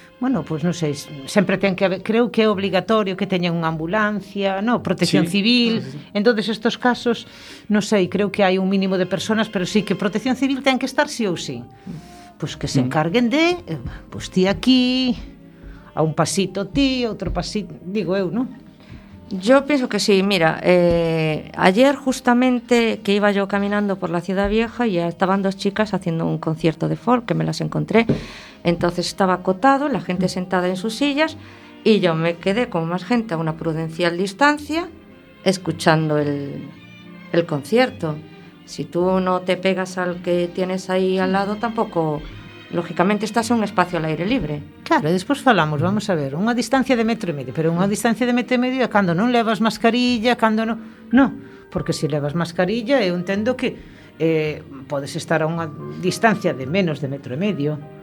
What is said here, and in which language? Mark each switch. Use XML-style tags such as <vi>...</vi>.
<gl>Bueno, pues non sei, sempre ten que haber, creo que é obligatorio que teñan unha ambulancia, no, protección, sí, civil, sí, sí. En todos estos casos, non sei, creo que hai un mínimo de personas, pero sí que protección civil ten que estar sí ou sí. Pues que se encarguen de, pues ti aquí, a un pasito ti, outro pasito, digo eu, non?</gl> <es>Yo pienso que sí, mira, ayer justamente que iba yo caminando por la Ciudad Vieja y estaban dos chicas haciendo un concierto de folk, que me las encontré, entonces estaba acotado, la gente sentada en sus sillas y yo me quedé con más gente a una prudencial distancia escuchando el concierto. Si tú no te pegas al que tienes ahí al lado, tampoco... Lógicamente estás en un espacio al aire libre.</es> <gl>Claro, e despois falamos, vamos a ver, unha distancia de metro e medio, pero unha distancia de metro e medio é cando non levas mascarilla, cando non... No, porque se levas mascarilla, eu entendo que podes estar a unha distancia de menos de metro e medio.</gl>